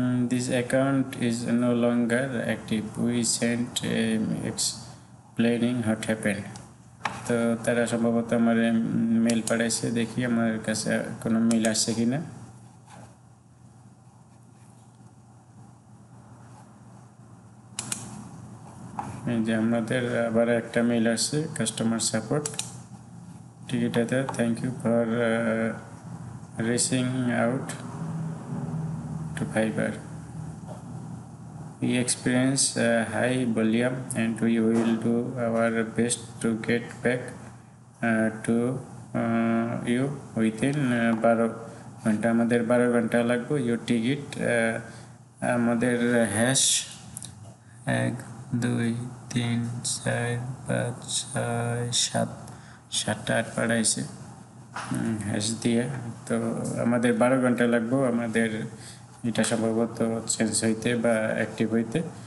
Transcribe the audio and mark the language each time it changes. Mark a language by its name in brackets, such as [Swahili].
[English] This account is no longer active. We sent explaining what happened. [Bangla] তো তারা সম্ভবত আমার মেল পাঠাইছে, দেখি আমার কাছে কোনো মেল আসছে কিনা। যে আমাদের আবার একটা মেল আসছে, customer support টিকিটাতে [English] Thank you for reaching out to fibre. We experience high volume and we will do our best to get back to you within 12 ঘন্টা। [Bangla] আমাদের 12 ঘন্টা লাগবে। [English] Your ticket [Bangla] আমাদের হ্যাশ 1 2 3 4 5 6 7 সাতটা আট পাঠাইছে হ্যাশ দিয়ে। তো আমাদের 12 ঘন্টা লাগবো আমাদের এটা সম্ভবত চেঞ্জ হইতে বা অ্যাক্টিভ হইতে।